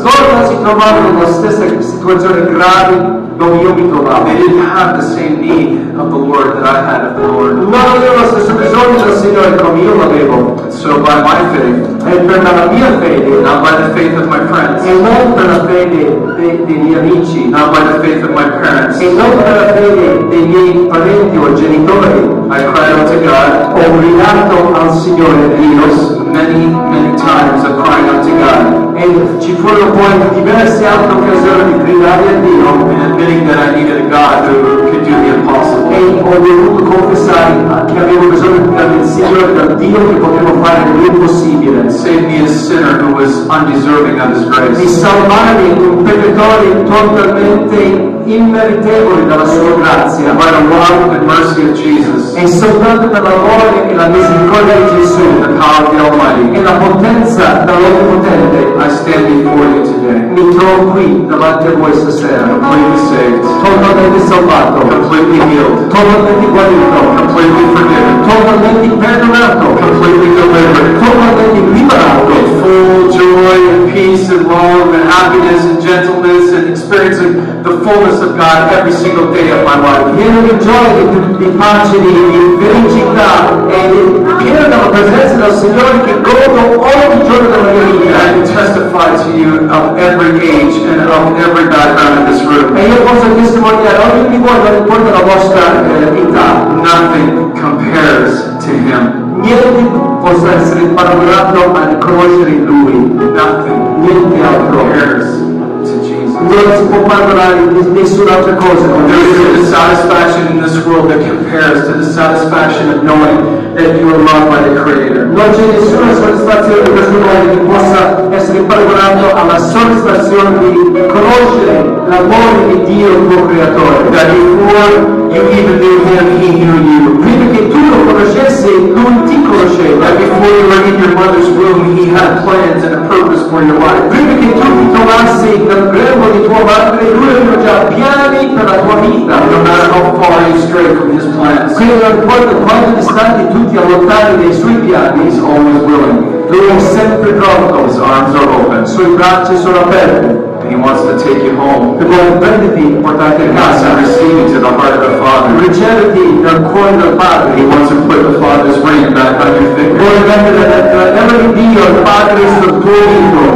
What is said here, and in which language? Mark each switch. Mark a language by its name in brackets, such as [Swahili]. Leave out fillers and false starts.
[Italian] Loro non si trovavano nella stessa situazione grave dove io mi trovavo. [English] They didn't have the same need of the Lord that I had of the Lord. [Italian] Non avevo lo stesso bisogno del Signore come io l'avevo. [English] So by my faith, [Italian] e per la mia fede, [English] not by the faith of my friends, [Italian] e non per la fede dei miei amici, [English] not by the faith of my parents, [Italian] e non per la fede dei miei parenti o genitori, [English] I cried out to God, [Italian] ho gridato al Signore Dio, [English] many times of crying out to God, [Italian] e ci furono poi diverse altre occasioni di gridare a Dio, [English] and admitting that I needed a God who could do the impossible, [Italian] e ho dovuto confessare che avevo bisogno di un Signore, da Dio che potevo fare l'impossibile. [English] Save me a sinner who was undeserving of his grace. [Italian] Di salvarmi un peccatore totalmente immeritevole dalla sua grazia. [English] By the love and mercy of Jesus. [Italian] E soltanto per l'amore e la misericordia di Gesù. [English] The power of the Almighty. [Italian] E la potenza dell'Onnipotente. [English] I stand before you today. [Italian] Mi trovo qui davanti a voi stasera. [English] Completely saved. [Italian] Totalmente salvato. [English] Completely healed. [Italian] Totalmente guarito. [English] Completely forgiven. [Italian] Totalmente perdonato. [English] Completely delivered. [Italian] Totalmente liberato. [English] Full joy and peace and love and happiness and gentleness and experiencing the fullness of God every single day of my life. [Italian] Pieno di gioia, di pace, di felicità e pieno della presenza del Signore che godo ogni giorno della mia vita. [English] I testify to you of every age and of every background in this room. [Italian] E io posso testimoniare ogni di voi non importa la vostra età. [English] Nothing compares to Him. [Italian] Niente possa essere paragonato a conoscere Lui. [English] Nothing. [Italian] Niente altro. [English] Compares to Jesus. [Italian] Non si può paragonare di nessun'altra cosa. [English] There is a satisfaction in this world that compares to the satisfaction of knowing that you are loved by the Creator. [Italian] Non c'è nessuna soddisfazione in questo mondo che possa essere paragonato alla soddisfazione di conoscere l'amore di Dio, il tuo Creatore. [English] That before you even knew Him, He knew you. [Italian] Prima che tu lo conoscessi, Lui ti conosceva. [English] That before you were in your mother's womb, He had plans and a purpose for your life. [Italian] Prima che tu ti trovassi nel grembo di tua madre, Lui aveva già piani per la tua vita. [English] No matter how far you stray from His plans. [Italian] Quindi non importa quanto distanti tutti a lottare dei suoi piani, [English] He's always willing. [Italian] Lui è sempre pronto. [English] His arms are open. [Italian] Sui bracci sono aperti. [English] And He wants to take you home. [Italian] Che vuole prenderti, portarti a casa. [English] And receive you to the heart of the Father. [Italian] Riceverti dal cuore del Padre. [English] He wants to put the Father's ring back on your finger. [Italian] Vuole mettere l'anello di Dio, il Padre sul tuo dito.